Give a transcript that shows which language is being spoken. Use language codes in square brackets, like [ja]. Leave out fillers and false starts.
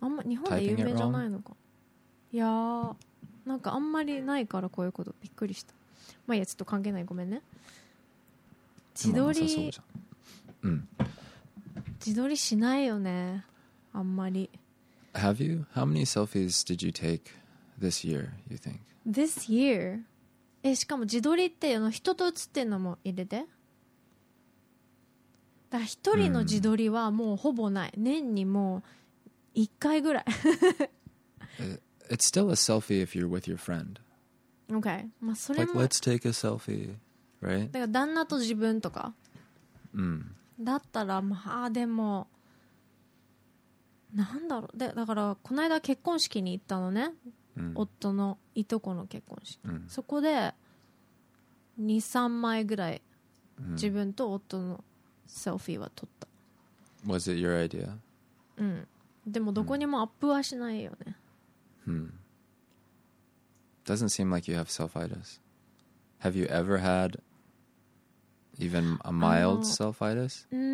[ja] あんま日本で有名じゃないのか、いやなんかあんまりないからこういうことびっくりした。まあ、いやちょっと関係ない、ごめんね。自撮り、自撮りしないよね、あんまり。 [en] Have you? How many selfies did you take this year, you think? This year? [ja] え、しかも自撮りっていうの、人と写ってるのも入れて。だから一人の自撮りはもうほぼない。年にもう一回ぐらい。 [en] It's still a selfie if you're with your friend. [ja] Okay. まあそれも。 [en] Like, let's take a selfie, right? [ja] だから旦那と自分とか。うん。だったらまあでもなんだろう、でだからこの間結婚式に行ったのね、うん、夫のいとこの結婚式、うん、そこで 2,3 枚ぐらい自分と夫のセルフィーは撮った。 [en] Was it your idea? [ja] うん、でもどこにもアップはしないよね。 [en] Doesn't seem like you have self-itis. Have you ever hadEven a mild self-itis?